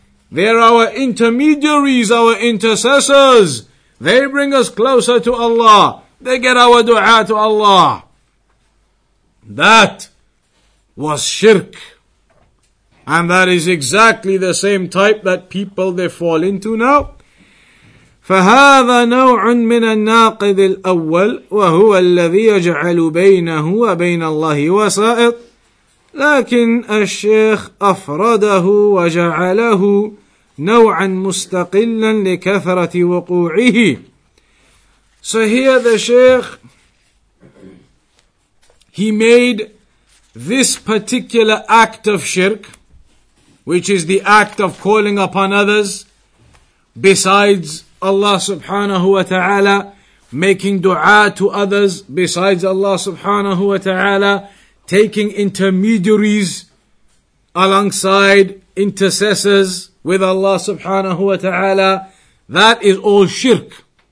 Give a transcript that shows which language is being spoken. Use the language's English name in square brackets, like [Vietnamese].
[English] They're our intermediaries, our intercessors. They bring us closer to Allah. They get our dua to Allah. That was shirk. And that is exactly the same type that people they fall into now. [Arabic] فهذا نوع من الناقض الأول وهو الذي يجعل بينه وبين الله وسائط لكن الشيخ أفرده وجعله نوعا مستقلا لكثرة وقوعه. [English] So here the Shaykh, he made this particular act of shirk, which is the act of calling upon others besides Allah subhanahu wa ta'ala, making dua to others besides Allah subhanahu wa ta'ala, taking intermediaries alongside intercessors with Allah subhanahu wa ta'ala, that is all shirk.